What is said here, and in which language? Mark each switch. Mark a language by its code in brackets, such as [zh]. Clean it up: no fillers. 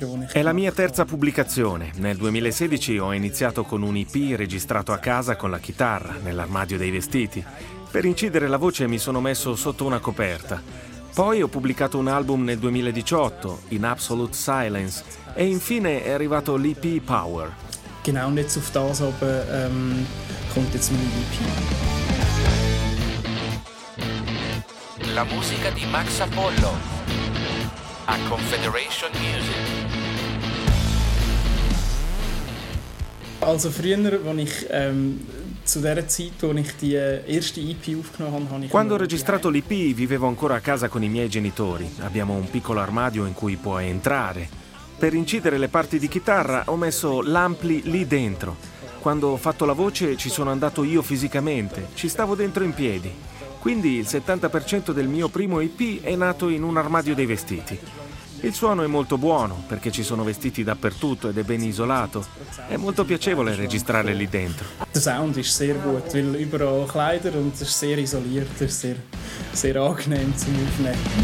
[it] È la mia terza pubblicazione. Nel 2016 ho iniziato con un EP registrato a casa con la chitarra, nell'armadio dei vestiti. Per incidere la voce mi sono messo sotto una coperta. Poi ho pubblicato un album nel 2018, In Absolute Silence, e infine è arrivato l'EP Power. [de] Genau, nicht auf das, aber kommt jetzt mein EP. [it] La musica di Max Apollo a Confederation Music. [de] Also früher, wenn ich zu der Zeit, wo ich die erste EP aufgenommen habe, [it] quando ho registrato l'EP, vivevo ancora a casa con i miei genitori. Abbiamo un piccolo armadio in cui puoi entrare. Per incidere le parti di chitarra ho messo l'ampli lì dentro. Quando ho fatto la voce ci sono andato io fisicamente, ci stavo dentro in piedi. Quindi il 70% del mio primo EP è nato in un armadio dei vestiti. Il suono è molto buono perché ci sono vestiti dappertutto ed è ben isolato. È molto piacevole registrare lì dentro. Il sound è [de] sehr gut, weil überall Kleider und es ist sehr isoliert, sehr sehr angenehm zum Aufnehmen.